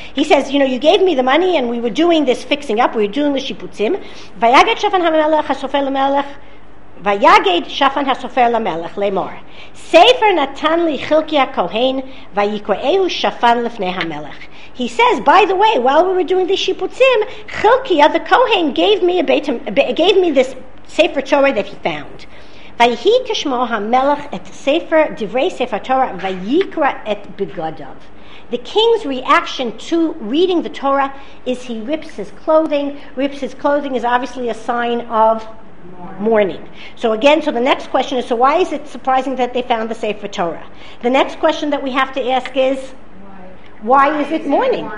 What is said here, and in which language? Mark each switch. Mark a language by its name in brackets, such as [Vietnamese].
[English] He says, you know, you gave me the money, and we were doing this fixing up. We were doing the shiputzim. [Hebrew] Vayaget Shafan hamelech hasofer el hamelech. ויגד שפן הסופר למלך לאמור ספר נתן לי חלקי הכהן ויקראהו שפן לפני המלך. [English] He says, by the way, while we were doing the shiputzim, Chilkiah the Kohen gave me this sefer Torah that he found. [Hebrew] ויהי כשמו המלך את ספר דברי ספר תורה ויקרא את בגדיו. [English] The king's reaction to reading the Torah is he rips his clothing. Rips his clothing is obviously a sign of mourning. So again, so the next question is, so why is it surprising that they found the Sefer Torah? The next question that we have to ask is, why is it mourning?